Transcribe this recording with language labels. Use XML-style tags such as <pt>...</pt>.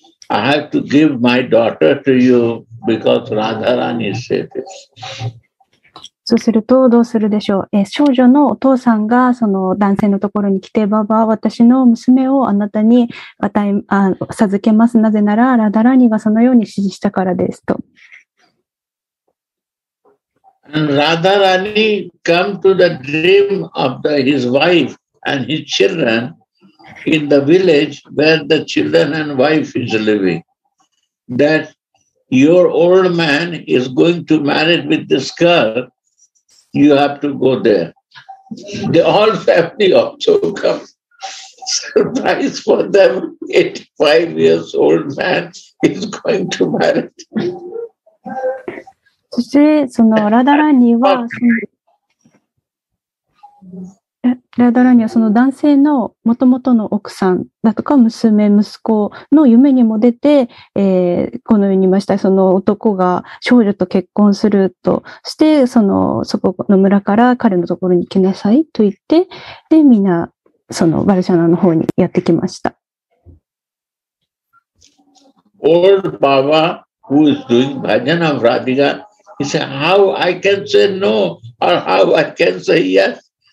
<en>I have to give my daughter to you because Radharani said this.</en> <ja>そうするとどうするでしょう。少女のお父さんがその男性のところに来て、ババア、私の娘をあなたに授けます。なぜならラダラニがそのように指示したからですと。</ja> <en>ラダラニ come to the dream of his wife and his children in the village where the children and wife is living. That your old man is going to marry with this girl. You have to go there. The whole family also come. Surprise for them, 85 years old man is going to marry.</en> <ja>そしてそのラダラニはラダラニはその男性の元々の奥さんだとか娘息子の夢にも出て、このように言いました。その男が少女と結婚するとして、そのそこの村から彼のところに来なさいと言って、でみんなそのバルシャナの方にやってきました。</ja> <en>Old Baba who is doing bhajan of Radhika, he said, how I can say no or how I can say yes?</en>